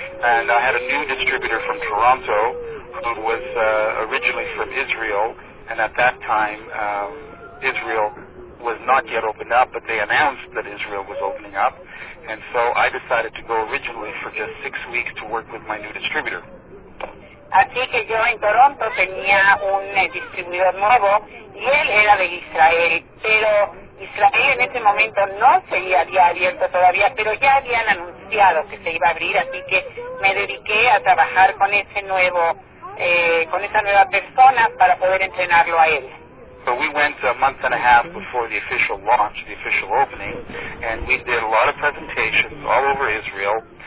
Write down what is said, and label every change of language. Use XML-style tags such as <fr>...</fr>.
<en>And I had a new distributor from Toronto, who was originally from Israel, and at that time, Israel was not yet opened up, but they announced that Israel was opening up, and so I decided to go originally for just 6 weeks to work with my new distributor.</en> <es>Así que yo en Toronto tenía un distribuidor nuevo y él era de Israel, pero Israel en ese momento no se había abierto todavía, pero ya habían anunciado que se iba a abrir, así que me dediqué a trabajar con ese nuevo, con esa nueva persona para poder entrenarlo a él.</es> <en>So we went a month and a half before the official launch, the official opening, and we did a lot of presentations all over Israel.</en>